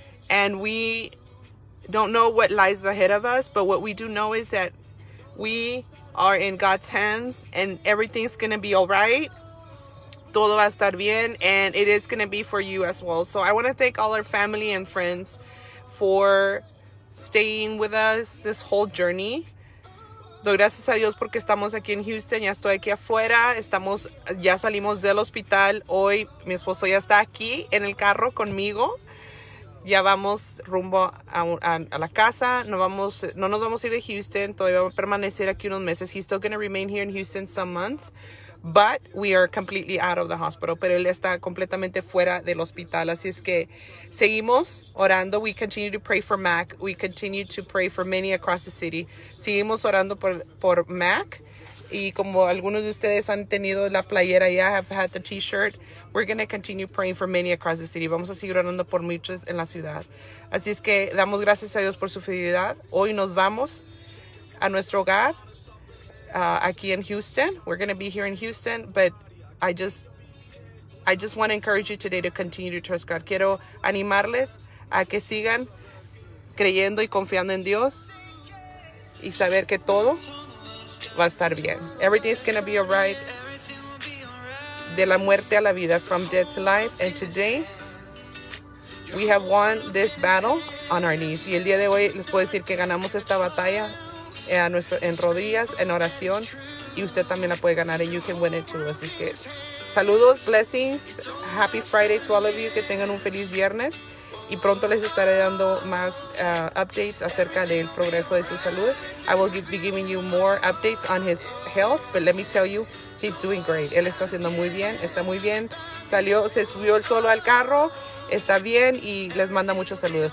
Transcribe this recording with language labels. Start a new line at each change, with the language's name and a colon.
English: And we don't know what lies ahead of us, but what we do know is that we are in God's hands and everything's going to be all right.
Spanish: Todo va a estar bien,
English: and it is going to be for you as well. So I want to thank all our family and friends for staying with us this whole journey.
Spanish: Doy gracias a Dios porque estamos aquí en Houston. Ya estoy aquí afuera. Estamos, ya salimos del hospital hoy. Mi esposo ya está aquí en el carro conmigo. Ya vamos rumbo a la casa. No nos vamos a ir de Houston. Todavía vamos a permanecer aquí unos meses.
English: He's still going to remain here in Houston some months. But we are completely out of the hospital.
Spanish: Pero él está completamente fuera del hospital. Así es que seguimos orando.
English: We continue to pray for Mac. We continue to pray for many across the city.
Spanish: Seguimos orando por Mac. Y como algunos de ustedes han tenido la playera,
English: ya have had the t-shirt, we're going to continue praying for many across the city.
Spanish: Vamos a seguir orando por muchos en la ciudad. Así es que damos gracias a Dios por su fidelidad. Hoy nos vamos a nuestro hogar.
English: Aquí in Houston, we're going to be here in Houston, but I just want to encourage you today to continue to trust God.
Spanish: Quiero animarles a que sigan creyendo y confiando en Dios y saber que todo va a estar bien.
English: Everything is going to be all right.
Spanish: De la muerte a la vida,
English: from death to life. And today, we have won this battle on our knees.
Spanish: Y el día de hoy, les puedo decir que ganamos esta batalla. En rodillas, en oración, y usted también la puede ganar,
English: and you can win it too.
Spanish: Así que, saludos,
English: blessings, happy Friday to all of you,
Spanish: que tengan un feliz viernes, y pronto les estaré dando más updates acerca del progreso de su salud.
English: I will be giving you more updates on his health, but let me tell you, he's doing great.
Spanish: Él está haciendo muy bien, está muy bien, salió, se subió él solo al carro, está bien, y les manda muchos saludos.